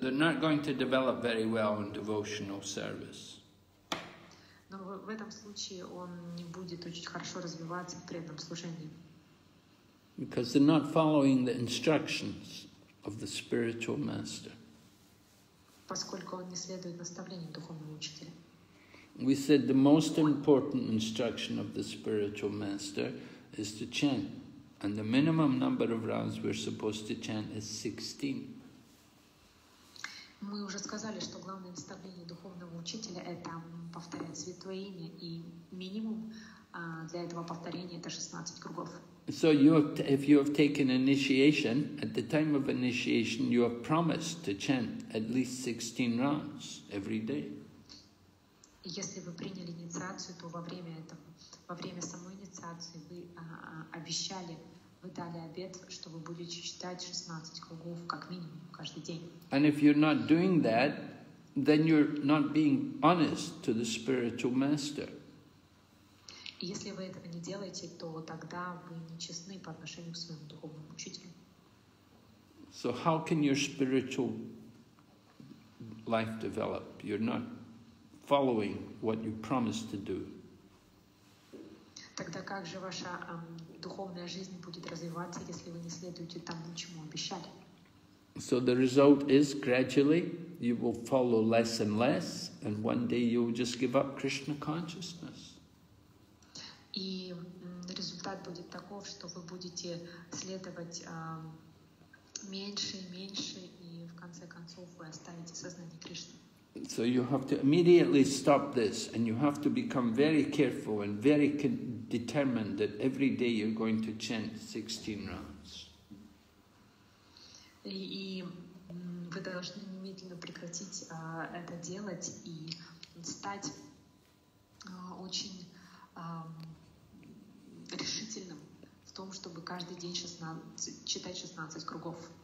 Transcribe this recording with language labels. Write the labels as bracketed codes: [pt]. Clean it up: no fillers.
[en] They're not going to develop very well in devotional service. [ru] Но в этом случае он не будет очень хорошо развиваться в преданном служении. [en] Because they're not following the instructions of the spiritual master. [ru] Поскольку он не следует наставлениям духовного учителя. [en] We said the most important instruction of the spiritual master is to chant. And the minimum number of rounds we're supposed to chant is 16. [ru] Мы уже сказали, что главное наставление духовного учителя – это повторять святое имя, и минимум для этого повторения – это 16 кругов. [en] So you have if you have taken initiation, at the time of initiation, you have promised to chant at least 16 rounds every day. [ru] Если вы приняли инициацию, то во время этого, во время самой инициации вы обещали, вы дали обет, что вы будете читать 16 кругов как минимум каждый день. [en] And if you're not doing that, then you're not being honest to the spiritual master. [ru] Если вы этого не делаете, то тогда вы нечестны по отношению к своему духовному учителю. [en] So how can your spiritual life develop? You're not following what you promised to do. [ru] Тогда как же ваша духовная жизнь будет развиваться, если вы не следуете тому, чему обещали? [en] So the result is gradually you will follow less and less, and one day you will just give up Krishna consciousness. [ru] И результат будет таков, что вы будете следовать меньше и меньше, и в конце концов вы оставите сознание Кришны. [en] So you have to immediately stop this, and you have to become very careful and very determined that every day you're going to chant 16 rounds. [ru] И вы должны немедленно прекратить это делать и стать очень решительным в том, чтобы каждый день 16, читать 16 кругов.